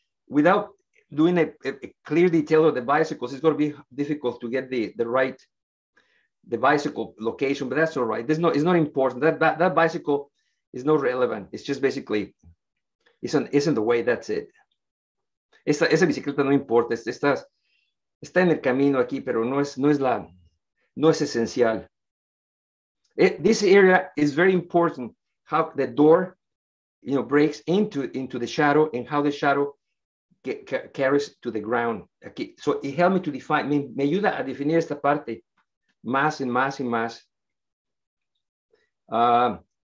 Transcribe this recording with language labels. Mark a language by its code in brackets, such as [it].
[en] Without doing a clear detail of the bicycles, it's going to be difficult to get the right the bicycle location, but that's all right. There's no, it's not important. That bicycle is not relevant. It's just basically, it's in the way, that's it. [es] Esa bicicleta no importa. Está en el camino aquí, pero no es esencial. [en] This area is very important, how the door, you know, breaks into the shadow and how the shadow carries to the ground. Okay. So it helped me to define, [es] me ayuda a definir esta parte más y más y más.